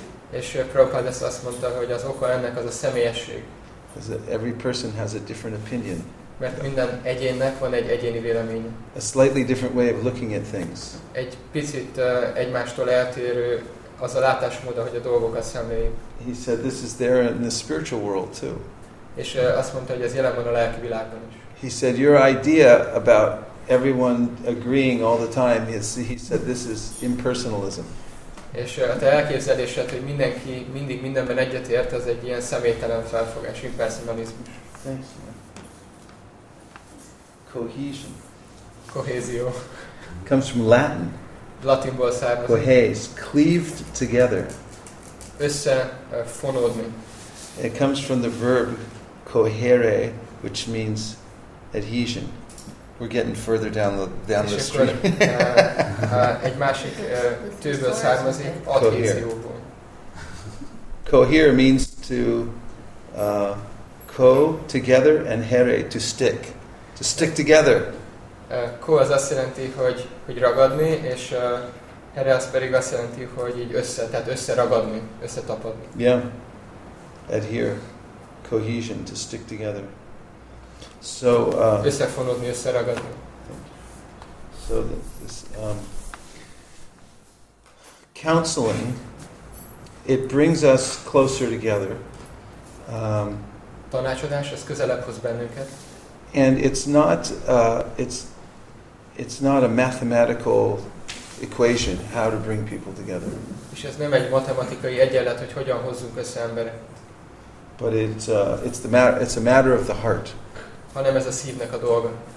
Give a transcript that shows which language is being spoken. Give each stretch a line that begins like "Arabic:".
Hungarian: És Prabhupada azt mondta, hogy az oka ennek az a személyesség.
English: Is that every person has a different opinion.
Hungarian: Mert minden egyénnek van egy egyéni véleménye.
English: A slightly different way of looking at things.
Hungarian: Egy picit egymástól eltérő az a látásmód, ahogy a dolgokat szemléljük.
English: He said this is there in the spiritual world too.
Hungarian: És azt mondta, hogy ez jelen van a lelki világban is.
English: He said your idea about everyone agreeing all the time, he said this is impersonalism.
Hungarian: És a te elképzelésed, hogy mindenki mindig mindenben egyetért, az egy ilyen személytelen felfogás, impersonalizmus.
English: Cohesion.
Hungarian: Kohézió.
English: Comes from Latin.
Hungarian: Latinból származik.
English: Cohes, cleaved together.
Hungarian: Összefonódni.
English: It comes from the verb cohere, which means adhesion. We're getting further down the street.
Hungarian: Egy másik tőből származik, adhézióból.
English: Cohere means to co together and here to stick together.
Hungarian: Co az azt jelenti, hogy ragadni, és here az pedig azt jelenti, hogy így össze, tehát összeragadni, összetapadni.
English: Yeah. Adhere, cohesion, to stick together. So
Hungarian: összefonódni, összeragadni.
English: So this counseling, it brings us closer together.
Hungarian: Tanácsadás, ez közelebb hoz bennünket.
English: And it's not a mathematical equation how to bring people together.
Hungarian: És ez nem egy matematikai egyenlet, hogy hogyan hozzunk össze emberek.
English: But it's a matter of the heart.
Hungarian: Hanem ez a szívnek a dolga.